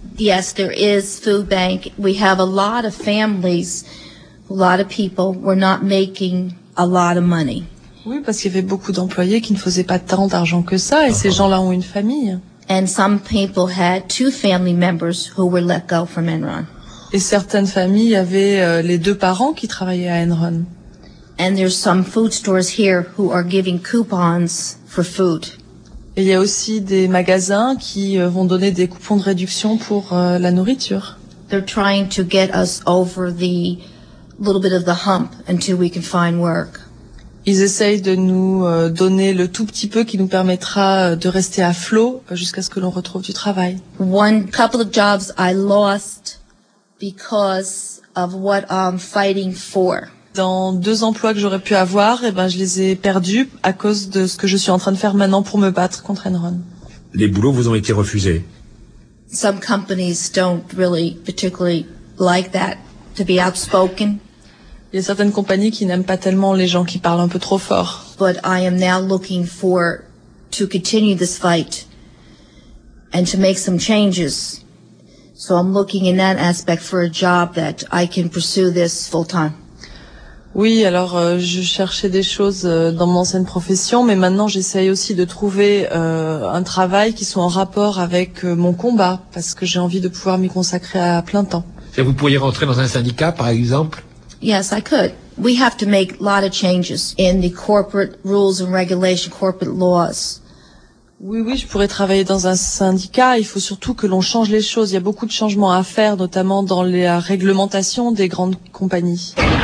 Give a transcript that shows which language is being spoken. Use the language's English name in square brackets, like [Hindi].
[English] Yes, there is food bank. We have a lot of families, a lot of people were not making a lot of money. [French] Oui, parce qu'il y avait beaucoup d'employés qui ne faisaient pas tant d'argent que ça, et ces gens-là ont une famille. [English] And some people had two family members who were let go from Enron. [French] Et certaines familles avaient les deux parents qui travaillaient à Enron. [English] And there's some food stores here who are giving coupons for food. [French] Et il y a aussi des magasins qui vont donner des coupons de réduction pour la nourriture. [English] They're trying to get us over the little bit of the hump until we can find work. [French] Ils essayent de nous donner le tout petit peu qui nous permettra de rester à flot jusqu'à ce que l'on retrouve du travail. [English] One couple of jobs I lost because of what I'm fighting for. [French] Dans deux emplois que j'aurais pu avoir, eh ben, je les ai perdus à cause de ce que je suis en train de faire maintenant pour me battre contre Enron. Les boulots vous ont été refusés. [English] Some companies don't really particularly like that to be outspoken. [French] Il y a certaines compagnies qui n'aiment pas tellement les gens qui parlent un peu trop fort. [English] But I am now looking for to continue this fight and to make some changes. So I'm looking in that aspect for a job that I can pursue this full time. [French] Oui, alors je cherchais des choses dans mon ancienne profession, mais maintenant j'essaye aussi de trouver un travail qui soit en rapport avec mon combat, parce que j'ai envie de pouvoir m'y consacrer à plein temps. Et vous pourriez rentrer dans un syndicat, par exemple? [English] Yes, I could. We have to make a lot of changes in the corporate rules and regulations, corporate laws. [French] Oui, oui, je pourrais travailler dans un syndicat. Il faut surtout que l'on change les choses. Il y a beaucoup de changements à faire, notamment dans la réglementation des grandes compagnies.